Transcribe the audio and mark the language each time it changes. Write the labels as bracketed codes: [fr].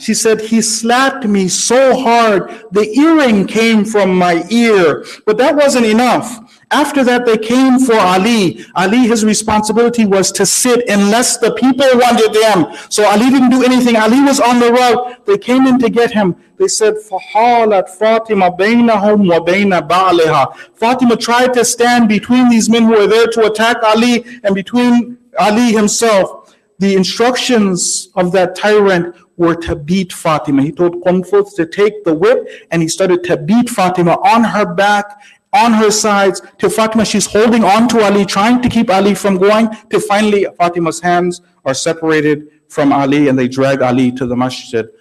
[en] She said, he slapped me so hard, the earring came from my ear. But that wasn't enough. After that, they came for Ali. Ali, his responsibility was to sit unless the people wanted them. So Ali didn't do anything. Ali was on the road. They came in to get him. They said, [ar] فَحَالَتْ فَاطِمَ بَيْنَهُمْ وَبَيْنَ بَعْلِهَا. [en] Fatima tried to stand between these men who were there to attack Ali and between Ali himself. The instructions of that tyrant were to beat Fatima. He told Qunfuth to take the whip, and he started to beat Fatima on her back, on her sides, till Fatima, she's holding on to Ali, trying to keep Ali from going, till finally Fatima's hands are separated from Ali, and they drag Ali to the masjid.